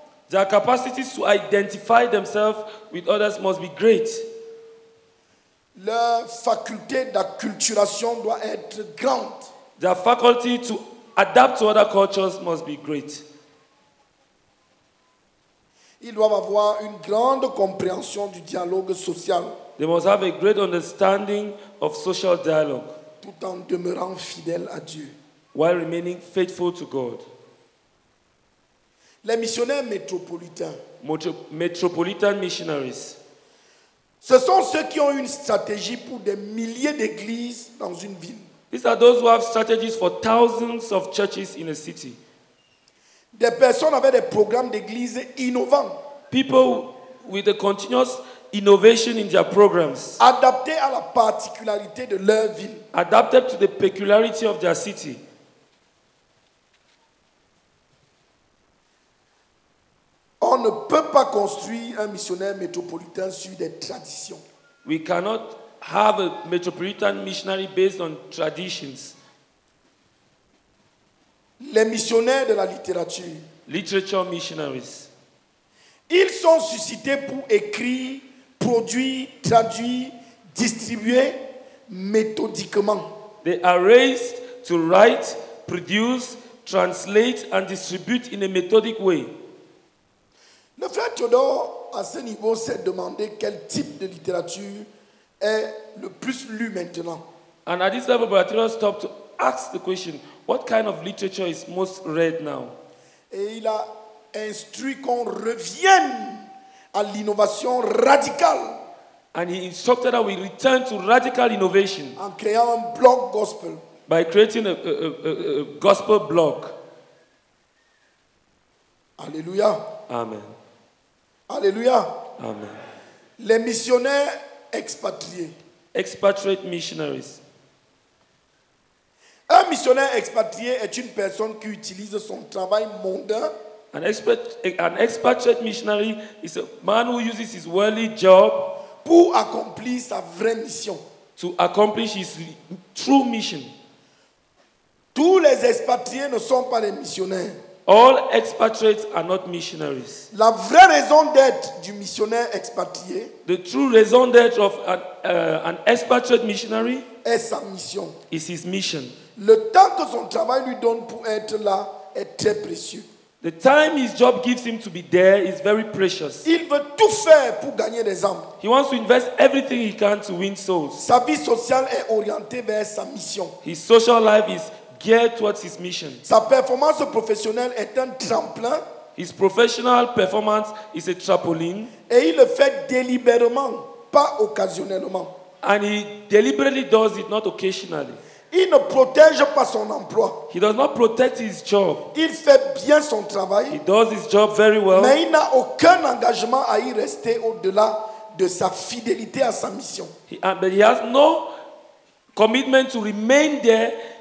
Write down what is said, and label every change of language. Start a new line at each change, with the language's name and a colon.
English: Their capacity to identify themselves with others must be great.
French: Leur faculté d'acculturation doit être grande.
English: Their faculty to adapt to other cultures must be great.
French: Ils doivent avoir une grande compréhension du dialogue social.
English: They must have a great understanding of social dialogue.
French: Tout en demeurant fidèles à Dieu.
English: While remaining faithful to God.
French: Les missionnaires métropolitains.
English: Metropolitan missionaries.
French: Ce sont ceux qui ont une stratégie pour des milliers d'églises dans une ville.
English: These are those who have strategies for thousands of churches in a city.
French: Des personnes avec des programmes d'église innovants.
English: People with a continuous innovation in their programs.
French: Adaptés à la particularité de leur ville.
English: Adapted to the peculiarity of their city.
French: On ne peut pas construire un missionnaire métropolitain sur des traditions.
English: We cannot have a metropolitan missionary based on traditions.
French: Les missionnaires de la littérature.
English: Literature missionaries.
French: Ils sont suscités pour écrire, produire, traduire, distribuer méthodiquement.
English: They are raised to write, produce, translate and distribute in a methodic way.
French: Le frère Théodore, à ce niveau, s'est demandé quel type de littérature est le plus lu maintenant.
English: And at this level, Théodore stopped to ask the question, what kind of literature is most read now?
French: Et il a instruit qu'on revienne à l'innovation radicale.
English: And he instructed that we return to radical innovation.
French: En créant un blog gospel.
English: By creating a gospel blog.
French: Alléluia.
English: Amen.
French: Alléluia.
English: Amen.
French: Les missionnaires expatriés.
English: Expatriate missionaries.
French: Un missionnaire expatrié est une personne qui utilise son travail mondain.
English: An expatriate missionary is a man who uses his worldly job
French: pour accomplir sa vraie mission.
English: To accomplish his true mission.
French: Tous les expatriés ne sont pas des missionnaires.
English: All expatriates are not missionaries.
French: La vraie raison d'être du missionnaire expatrié,
English: the true raison d'être of an expatriate missionary,
French: est sa mission.
English: Is his mission.
French: Le temps que son travail lui donne pour être là est très précieux.
English: The time his job gives him to be there is very precious.
French: Il veut tout faire pour gagner des âmes.
English: He wants to invest everything he can to win souls.
French: Sa vie sociale est orientée vers sa mission.
English: His social life is geared towards his mission.
French: Sa performance professionnelle est un tremplin.
English: His professional performance is a trampoline.
French: Et il le fait délibérément, pas occasionnellement.
English: And he deliberately does it, not occasionally.
French: Il ne protège pas son emploi.
English: He does not protect his job.
French: Il fait bien son travail.
English: He does his job very well.
French: Mais il n'a aucun engagement à y rester au-delà de sa fidélité à sa mission.
English: But he has no commitment to remain there.